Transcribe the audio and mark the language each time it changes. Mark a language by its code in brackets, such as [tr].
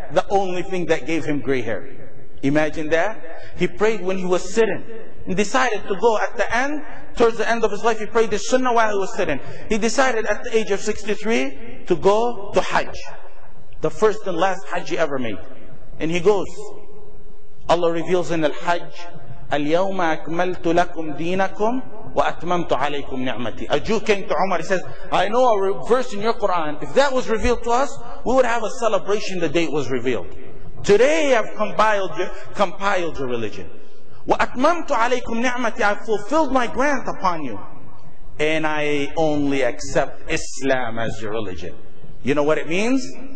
[en] The only thing that gave him gray hair. Imagine that. He prayed when he was sitting. He decided to go at the end. Towards the end of his life, he prayed the sunnah while he was sitting. He decided at the age of 63 to go to Hajj. The first and last Hajj he ever made. And he goes. Allah reveals in Al-Hajj, [ar] اليوم أكملت لكم دينكم وأتممت عليكم نعمتي. [en] A Jew came to Umar, he says, I know a verse in your Quran. If that was revealed to us, we would have a celebration the day it was revealed. Today I've compiled your religion. [ar] وأتممت عليكم نعمتي. [en] I fulfilled my grant upon you. And I only accept Islam as your religion. You know what it means?